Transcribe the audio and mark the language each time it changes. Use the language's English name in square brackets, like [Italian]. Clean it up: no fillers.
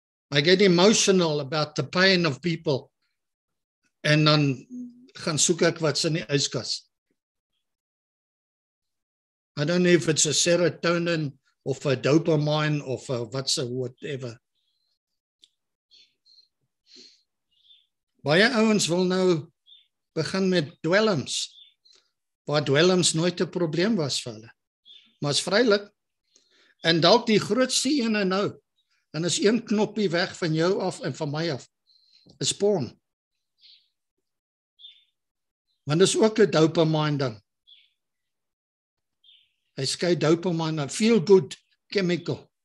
[English] I get emotional about the pain of people. [Afrikaans] En dan gaan soek ek wat's in die yskas. [English] I don't know if it's a serotonin of a dopamine of a whatever. [Afrikaans] Baie ouens wil nou begin met dwelms, waar dwelms nooit 'n probleem was vir hulle. Maar is vrylik. En dalk die grootste ene nou, en is een knoppie weg van jou af en van my af, is porn. Want is ook een dopamine ding. Hy skei dopamine, feel good chemical.